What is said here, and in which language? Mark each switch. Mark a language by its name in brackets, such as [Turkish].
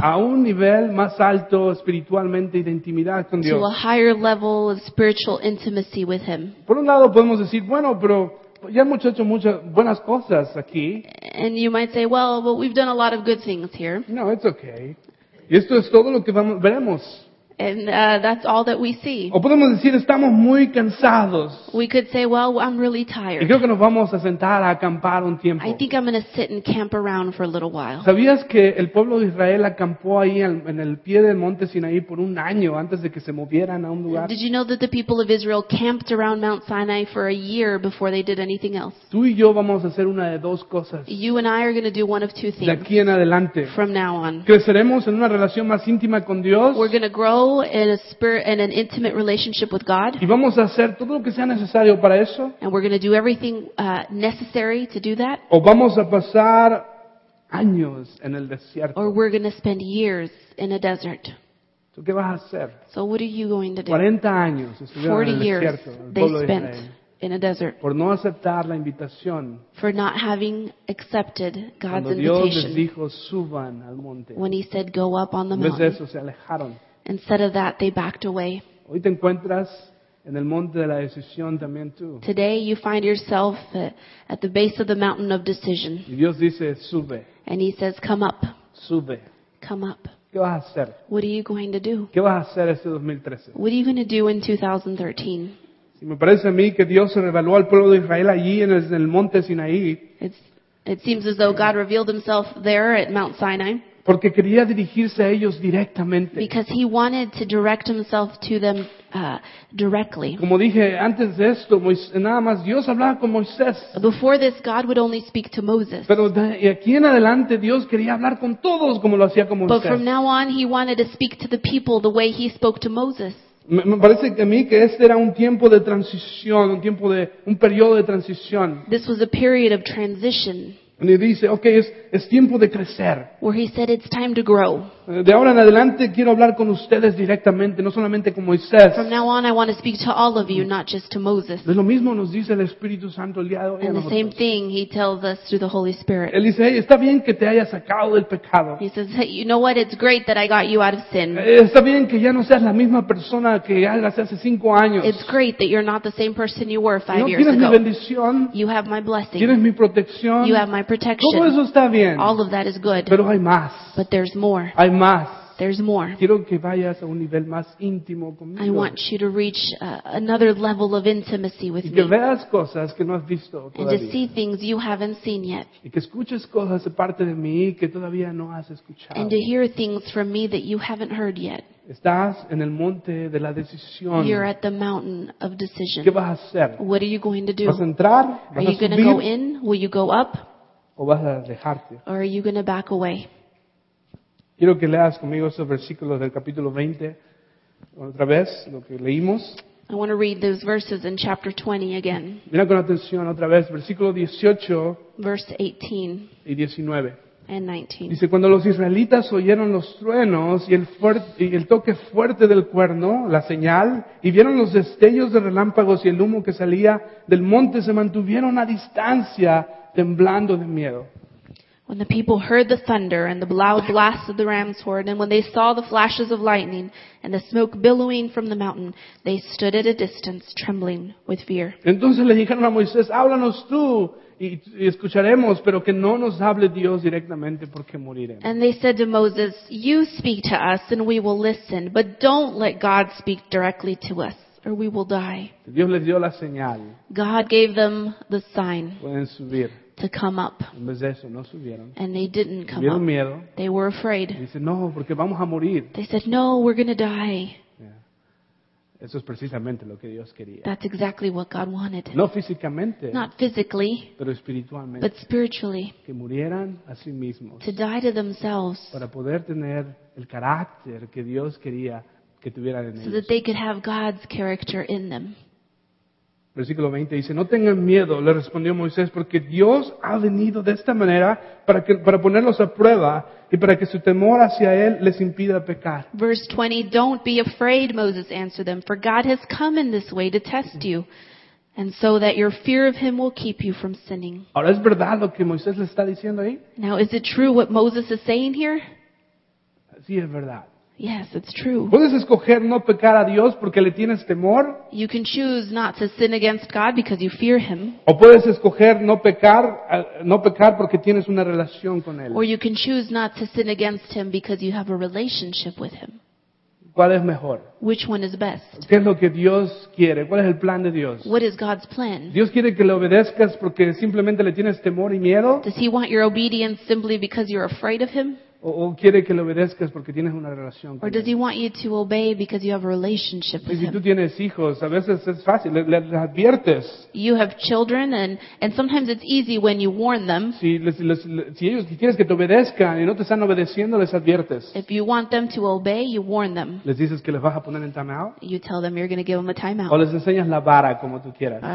[Spanish] a un nivel más alto espiritualmente y de intimidad con Dios, [English] to a higher level of spiritual intimacy with Him. [Spanish] Por un lado podemos decir, bueno, pero ya hemos hecho muchas buenas cosas aquí. [English] And you might say, well, but we've done a lot of good things here. No, it's okay. [Spanish] Y esto es todo lo que veremos. [English] And that's all that we see. [Spanish] O podemos decir, estamos muy cansados. [English] We could say, well, I'm really tired. [Spanish] Y creo que nos vamos a sentar a acampar un tiempo. [English] I think I'm going to sit and camp around for a little while. [Spanish] ¿Sabías que el pueblo de Israel acampó ahí en el pie del monte Sinaí por un año antes de que se movieran a un lugar? [English] Did you know that the people of Israel camped around Mount Sinai for a year before they did anything else? [Spanish] Tú y yo vamos a hacer una de dos cosas. [English] You and I are going to do one of two things. [Spanish] De aquí en adelante. [English] From now on. [Spanish] Creceremos en una relación más íntima con Dios. [English] We're going to grow in a spirit and an intimate relationship with God. [Spanish] Y vamos a hacer todo lo que sea necesario para eso. [English] And we're going to do everything necessary to do that. [Spanish] O vamos a pasar años en el desierto. [English] Or we're going to spend years in a desert. [Spanish] ¿Tú qué vas a hacer? [English] So what are you going to do? [Spanish] 40 años estuvieron [English] 40 [Spanish] en el [English] years [Spanish] desierto, [English] they spent in a desert. [Spanish] Por no aceptar la invitación. [English] For not having accepted God's invitation. [Spanish] Cuando Dios les dijo, suban al monte. [English] When he said, go up on the mountain. [Spanish] Después de eso se alejaron. [English] Instead of that, they backed away. [Spanish] Hoy te encuentras en el monte de la decisión también tú. [English] Today you find yourself at the base of the mountain of decision. [Spanish] Y Dios dice, sube. [English] And he says, come up. [Spanish] Sube. [English] Come up. [Spanish] ¿Qué vas a hacer? [English] What are you going to do? [Spanish] ¿Qué vas a hacer este 2013? [English] What are you going to do in 2013? [Spanish] Si me parece a mí que Dios reveló al pueblo de Israel allí en el monte Sinaí. [English] It seems as though God revealed himself there at Mount Sinai. [Spanish] Porque quería dirigirse a ellos directamente. [English] Because he wanted to direct himself to them directly. [Spanish] Como dije antes de esto, nada más Dios hablaba con Moisés. [English] Before this, God would only speak to Moses. [Spanish] Pero de aquí en adelante, Dios quería hablar con todos como lo hacía con Moisés. [English] But from now on, he wanted to speak to the people the way he spoke to Moses. [Spanish] Me parece a mí que este era un tiempo de transición, un periodo de transición. [English] This was a period of transition. [Spanish] Y dice, okay, es tiempo de crecer. [English] Where he said, it's time to grow. [Spanish] De ahora en adelante quiero hablar con ustedes directamente, no solamente con Moisés. [English] From now on, I want to speak to all of you, not just to Moses. [Spanish] Lo mismo nos dice el Espíritu Santo el día de hoy. [English] And the same thing he tells us through the Holy Spirit. [Spanish] Él dice, hey, está bien que te haya sacado del pecado. [English] He says, hey, you know what? It's great that I got you out of sin. [Spanish] Está bien que ya no seas la misma persona que eras hace 5 años. [English] It's great that you're not the same person you were 5 years ago. [Spanish] Tienes mi bendición. [English] You have my blessing. [Spanish] Tienes mi protección. [English] You have my protection. [Spanish] Todo eso está bien. [English] All of that is good. [Spanish] Pero hay más. [English] But there's more. [Spanish] Hay más. [English] There's more. [Spanish] Quiero que vayas a un nivel más íntimo conmigo. [English] I want you to reach another level of intimacy with [Spanish] y que [English] me. [Spanish] Veas cosas que no has visto todavía. [English] And to see things you haven't seen yet. [Spanish] Y que escuches cosas de parte de mí que todavía no has escuchado. [English] And to hear things from me that you haven't heard yet. [Spanish] Estás en el monte de la decisión. [English] You're at the mountain of decision. [Spanish] ¿Qué vas a hacer? [English] What are you going to do? [Spanish] ¿Vas a entrar? [English] Are you going to go in? Will you go up? [Spanish] ¿O vas a dejarte? [English] Or are you going to back away? [Spanish] Quiero que leas conmigo esos versículos del capítulo 20 otra vez, lo que leímos. [English] I want to read those verses in chapter 20 again. [Spanish] Mira con atención otra vez, versículo 18. [English] Verse 18. [Spanish] Y 19. [English] And 19. [Spanish] Dice, cuando los israelitas oyeron los truenos y el toque fuerte del cuerno, la señal, y vieron los destellos de relámpagos y el humo que salía del monte, se mantuvieron a distancia, temblando de miedo. [English] When the people heard the thunder and the loud blasts of the ram's horn, and when they saw the flashes of lightning and the smoke billowing from the mountain, they stood at a distance, trembling with fear. [Spanish] Entonces le dijeron a Moisés, háblanos tú y escucharemos, pero que no nos hable Dios directamente porque moriremos. [English] And they said to Moses, you speak to us and we will listen, but don't let God speak directly to us, or we will die. [Spanish] Dios les dio la señal. [English] God gave them the sign. [Spanish] Pueden subir. [English] To come up. [Spanish] En vez de eso, no subieron. [English] And they didn't come [Spanish] tuvieron Miedo. [English] They were afraid. [Spanish] Y dicen, no, porque vamos a morir. [English] They said, no, we're going to die. Yeah. [Spanish] Eso es precisamente lo que Dios quería. [English] That's exactly what God wanted. [Spanish] No físicamente. [English] Not physically. [Spanish] Pero espiritualmente. [English] But spiritually. [Spanish] Que murieran a sí mismos. [English] To die to themselves. [Spanish] Para poder tener el carácter que Dios quería. Que tuvieran en [English] so that they could have God's character in them. [Spanish] Versículo 20 dice, no tengan miedo, le respondió Moisés, porque Dios ha venido de esta manera para ponerlos a prueba y para que su temor hacia Él les impida pecar. [English] Verse 20, don't be afraid, Moses answered them, for God has come in this way to test you, and so that your fear of Him will keep you from sinning. [Spanish] Ahora, ¿es verdad lo que Moisés le está diciendo ahí? [English] Now, is it true what Moses is saying here? [Spanish] Sí, es verdad. [English] Yes, it's true. [Spanish] ¿Puedes escoger no pecar a Dios porque le tienes temor? [English] You can choose not to sin against God because you fear Him. [Spanish] ¿O puedes escoger no pecar porque tienes una relación con Él? [English] Or you can choose not to sin against Him because you have a relationship with Him. [Spanish] ¿Cuál es mejor? [English] Which one is best? [Spanish] ¿Qué es lo que Dios quiere? ¿Cuál es el plan de Dios? [English] What is God's plan? [Spanish] ¿Dios quiere que le obedezcas porque simplemente le tienes temor y miedo? [English] Does He want your obedience simply because you're afraid of Him? [Spanish] ¿O quiere que le obedezcas porque tienes una relación con [English] Él? Or does He want you to obey because you have a relationship with Him? [Spanish] Si tú tienes hijos, a veces es fácil, le adviertes. [English] You have children and sometimes it's easy when you warn them. [Spanish] Si quieres que te obedezcan y no te están obedeciendo, les adviertes. [English] If you want them to obey, you warn them. [Spanish] ¿Les dices que les vas a poner en time out? [English] You tell them you're going to give them a time out. [Spanish] ¿O les enseñas la vara como tú quieras?